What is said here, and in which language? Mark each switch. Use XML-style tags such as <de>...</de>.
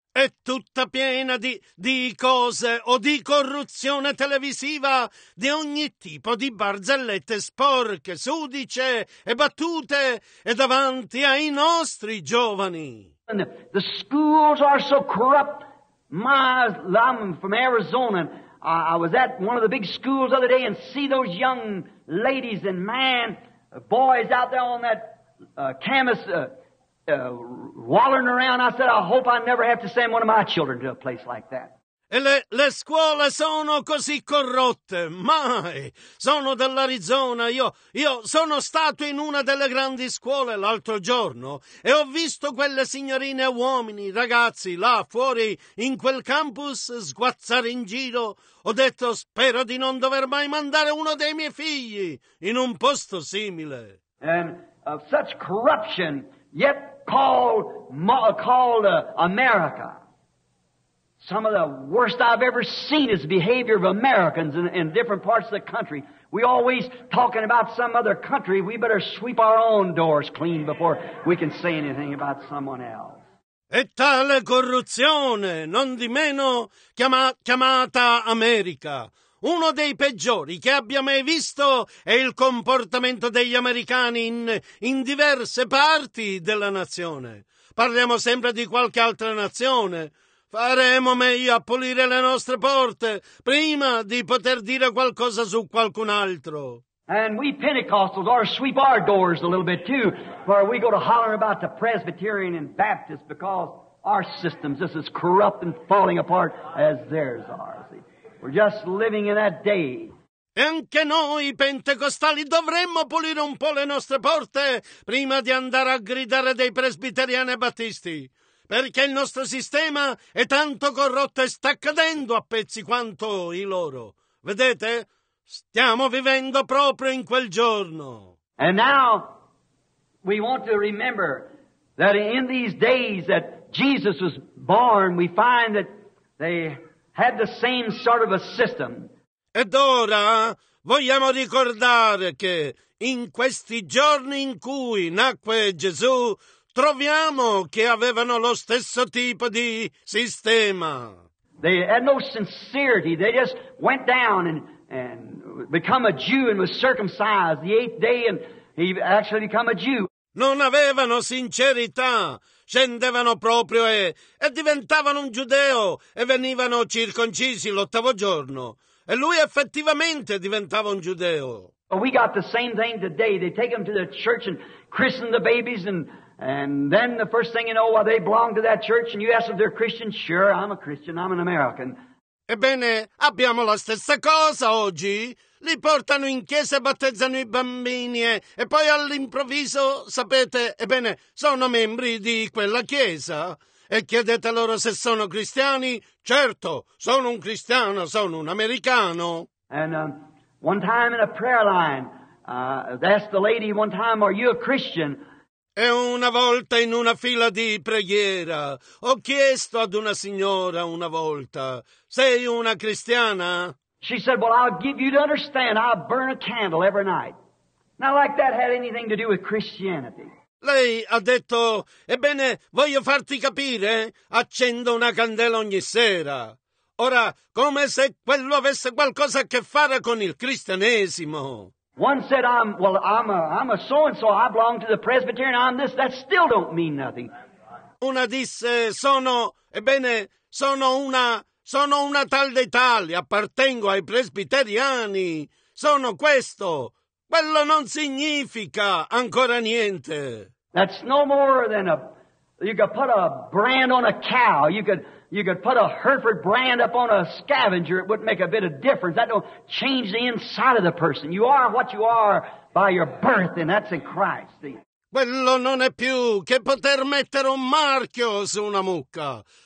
<it>È tutta piena di cose o di corruzione televisiva, di ogni tipo di barzellette sporche, sudice e battute, e davanti ai nostri giovani.</it> <en>And the schools are so corrupt. I'm from Arizona. I was at one of the big schools the other day and see those young ladies and man, boys out there on that canvas wallering around. I said, I hope I never have to send one of my children to a place like that.</en> <it>E le scuole sono così corrotte, mai! Sono dell'Arizona, io sono stato in una delle grandi scuole l'altro giorno e ho visto quelle signorine e uomini, ragazzi, là fuori in quel campus sguazzare in giro. Ho detto, spero di non dover mai mandare uno dei miei figli in un posto simile.</it> <en>And of such corruption, yet called America. Some of the worst I've ever seen is the behavior of Americans in different parts of the country. We always talking about some other country. We better sweep our own doors clean before we can say anything about someone else.</en> <it>E tale corruzione, non di meno chiamata America. Uno dei peggiori che abbia mai visto è il comportamento degli americani in diverse parti della nazione. Parliamo sempre di qualche altra nazione. Faremo meglio a pulire le nostre porte prima di poter dire qualcosa su qualcun altro.</it> <en>And we Pentecostals ought to sweep our doors a little bit too, for we go to hollering about the Presbyterian and Baptist because our system's just as corrupt and falling apart as theirs are. See? We're just living in that day.</en> <it>E anche noi pentecostali dovremmo pulire un po' le nostre porte prima di andare a gridare dei presbiteriani e battisti. Perché il nostro sistema è tanto corrotto e sta cadendo a pezzi quanto i loro. Vedete? Stiamo vivendo proprio in quel giorno.</it> <en>And now we want to remember that in these days that Jesus was born, we find that they had the same sort of a system.</en> <it>Ed ora vogliamo ricordare che in questi giorni in cui nacque Gesù, troviamo che avevano lo stesso tipo di sistema.</it> <en>They had no sincerity. They just went down and become a Jew and was circumcised the eighth day and he actually become a Jew.</en> <it>Non avevano sincerità. Scendevano proprio e diventavano un giudeo e venivano circoncisi l'ottavo giorno. E lui effettivamente diventava un giudeo.</it> <en>But we got the same thing today. They take them to the church and christen the babies and then the first thing you know, well, they belong to that church, and you ask if they're Christian. Sure, I'm a Christian, I'm an American.</en> <it>Ebbene, abbiamo la stessa cosa oggi. Li portano in chiesa e battezzano i bambini, e poi all'improvviso, sapete, ebbene, sono membri di quella chiesa. E chiedete loro se sono cristiani. Certo, sono un cristiano, sono un americano.</it> <en>And one time in a prayer line, asked the lady one time, are you a Christian?</en> <it>E una volta in una fila di preghiera ho chiesto ad una signora una volta, sei una cristiana?</it> <en>She said, well, I'll give you to understand, I'll burn a candle every night. Not like that had anything to do with Christianity.</en> <it>Lei ha detto, ebbene, voglio farti capire, accendo una candela ogni sera. Ora, come se quello avesse qualcosa a che fare con il cristianesimo.</it> <en>One said, I'm a so-and-so, I belong to the Presbyterian, I'm this, that still don't mean nothing.</en> <it>Una disse, sono una tal dei tali, appartengo ai presbiteriani, sono questo, quello non significa ancora niente.</it> <en>That's no more than you could put a brand on a cow, you could put a Hereford brand up on a scavenger, it wouldn't make a bit of difference. That don't change the inside of the person. You are what you are by your birth, and that's in Christ.</en> <it>Quello non è più che poter mettere un marchio su una mucca.</it>